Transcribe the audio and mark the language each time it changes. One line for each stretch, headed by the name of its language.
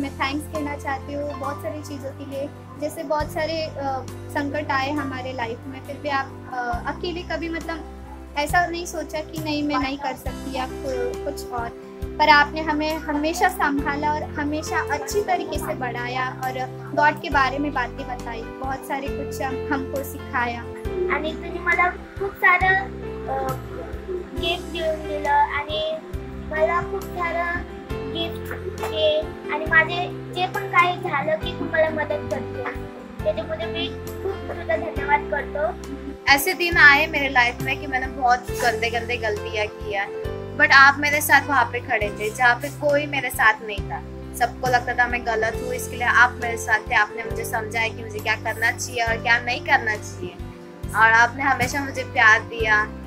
Hindi: मैं थैंक्स कहना चाहती हूँ बहुत सारी चीज़ों के लिए, जैसे बहुत सारे संकट आए हमारे लाइफ में, फिर भी आप अकेले कभी मतलब ऐसा नहीं सोचा कि नहीं मैं नहीं कर सकती या कुछ और, पर आपने हमें हमेशा संभाला और हमेशा अच्छी तरीके से बढ़ाया और गॉड के बारे में बातें बताई, बहुत सारे कुछ हमको सिखाया.
Marathi: आणि तुम्ही मला खूप सारं गिफ्ट देऊन दिलं आणि मला खूप सारं गिफ्ट दे आणि माझे जे पण काही झालं की तू मला मदत करते, त्याच्यामुळे मी खूप तुझा धन्यवाद करतो.
Hindi: ऐसे दिन आए मेरे लाइफ में कि मैंने बहुत गंदे गंदे गलतियां किया, बट आप मेरे साथ वहाँ पे खड़े थे जहाँ पे कोई मेरे साथ नहीं था. सबको लगता था मैं गलत हूँ, इसके लिए आप मेरे साथ थे. आपने मुझे समझाया कि मुझे क्या करना चाहिए और क्या नहीं करना चाहिए, और आपने हमेशा मुझे प्यार दिया.